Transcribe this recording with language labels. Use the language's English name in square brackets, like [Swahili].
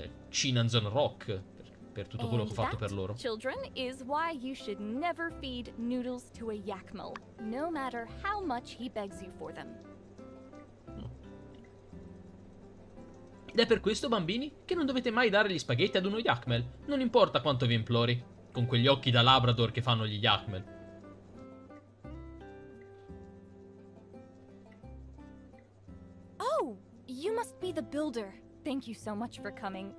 [Italian] Cinnanzon Rock per tutto quello che ho fatto per loro. [English] Children is why you should never feed noodles to a yakmul, no matter how much he begs you for them. [Italian] Ed è per questo, bambini, che non dovete mai dare gli spaghetti ad uno yakmul, non importa quanto vi implori, con quegli occhi da labrador che fanno gli yakmul. [English] Oh, you must be the builder. Thank you so much for coming.